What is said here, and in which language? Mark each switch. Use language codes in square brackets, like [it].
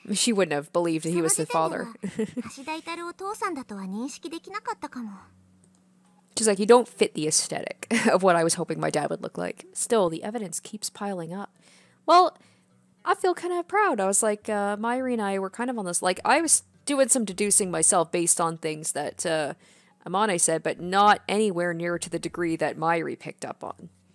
[en] She wouldn't have believed that he was the father. [ja] 橋田イタルお父さんだとは認識できなかったかも。 [en] She's like, you don't fit the aesthetic of what I was hoping my dad would look like. Still, the evidence keeps piling up. Well, I feel kind of proud. I was like, Mayuri and I were kind of on this. Like, I was doing some deducing myself based on things that Amane said, but not anywhere near to the degree that Mayuri picked up on.